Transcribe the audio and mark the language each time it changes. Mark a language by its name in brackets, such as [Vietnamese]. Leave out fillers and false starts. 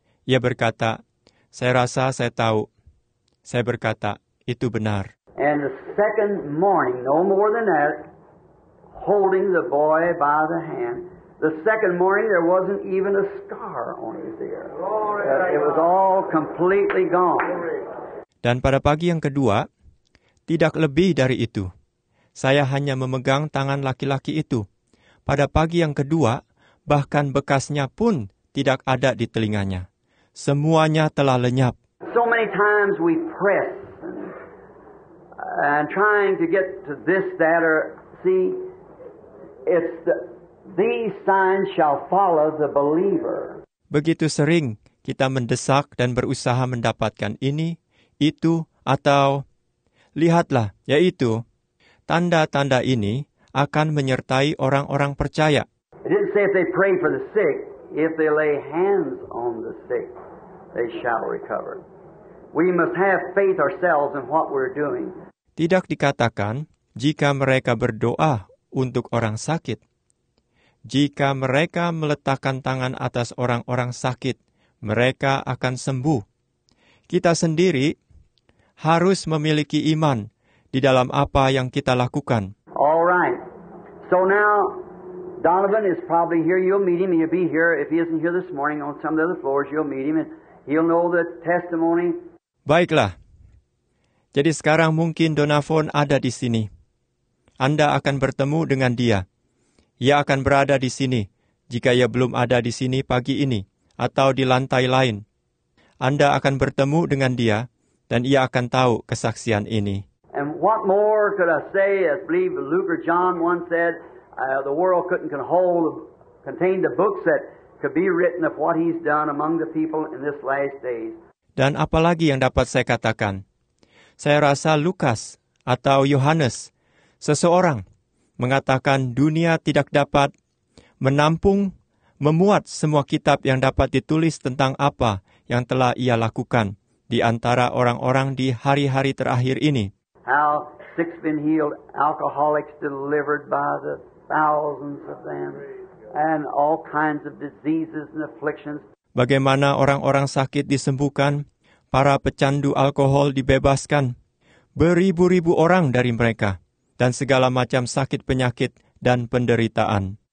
[Indonesian] Ia berkata, saya rasa saya tahu. Saya berkata, itu benar. [English] And the second morning, no more than that, holding the boy by the hand, the second morning there wasn't even a scar on his ear. It was all completely gone. [Indonesian] Dan pada pagi yang kedua, tidak lebih dari itu. Saya hanya memegang tangan laki-laki itu. Pada pagi yang kedua, bahkan bekasnya pun tidak ada di telinganya. Semuanya telah lenyap. [English] So many times we press and trying to get to this, that, or see, it's these signs shall follow the believer. [Indonesian] Begitu sering kita mendesak dan berusaha mendapatkan ini, itu, atau lihatlah, yaitu tanda-tanda ini akan menyertai orang-orang percaya. [English] It didn't say if they pray for the sick, if they lay hands on the sick, they shall recover. We must have faith ourselves in what we're doing. [Indonesian] Tidak dikatakan jika mereka berdoa untuk orang sakit. Jika mereka meletakkan tangan atas orang-orang sakit, mereka akan sembuh. Kita sendiri harus memiliki iman di dalam apa yang kita lakukan. [English] All right. So now Donovan is probably here. You'll meet him and you'll be here. If he isn't here this morning on some of the other floors, you'll meet him and he'll know the testimony. [Indonesian] Baiklah. Jadi sekarang mungkin Donovan ada di sini. Anda akan bertemu dengan dia. Ia akan berada di sini jika ia belum ada di sini pagi ini atau di lantai lain. Anda akan bertemu dengan dia dan ia akan tahu kesaksian ini. [English] And what more could I say? I believe Luke or John once said the world couldn't contain the books that could be written of what he's done among the people in this last days. [Indonesian] Dan apalagi yang dapat saya katakan? Saya rasa Lukas atau Yohanes, seseorang, mengatakan dunia tidak dapat menampung, memuat semua kitab yang dapat ditulis tentang apa yang telah ia lakukan di antara orang-orang di hari-hari terakhir ini. [English] How six been healed, alcoholics delivered by the thousands of them, and all kinds of diseases and afflictions. [Indonesian] Bagaimana orang-orang sakit disembuhkan, para pecandu alkohol dibebaskan, beribu-ribu orang dari mereka, dan segala macam sakit penyakit dan penderitaan.